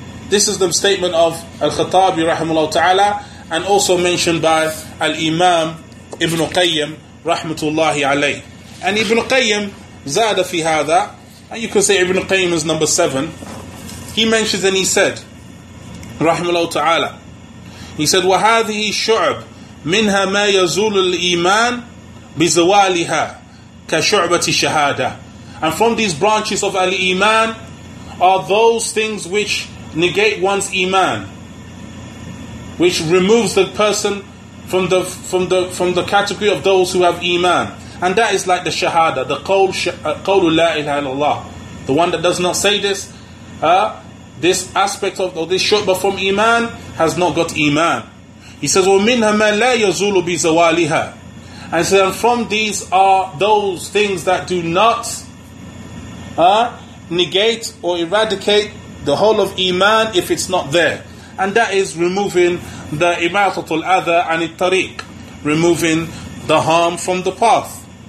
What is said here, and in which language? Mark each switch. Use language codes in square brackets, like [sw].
[en] This is the statement of Al-Khattabi rahimahullah ta'ala, and also mentioned by Al-Imam Ibn Qayyim rahmatullahi alayh. And Ibn Qayyim zada fi hadha, and you can say Ibn Qayyim is number 7. He mentions and he said, rahimahullah ta'ala. He said, [ar] وَهَذِهِ شُعْبْ مِنْهَا مَا يَزُولُ الْإِيمَانِ بِزَوَالِهَا كَشُعْبَةِ شَهَادَةِ. [en] And from these branches of al-Iman are those things which negate one's Iman, which removes the person from the category of those who have Iman. And that is like the Shahada, the qawlu la ilaha illallah. The one that does not say this, this aspect of this shu'bah from Iman has not got Iman. He says, [ar] وَمِنْهَا مَا لَا يَزُولُ بِزَوَالِهَا. [en] And so from these are those things that do not negate or eradicate the whole of Iman if it's not there. And that is removing the imatatul adha anit tariq, removing the harm from the path.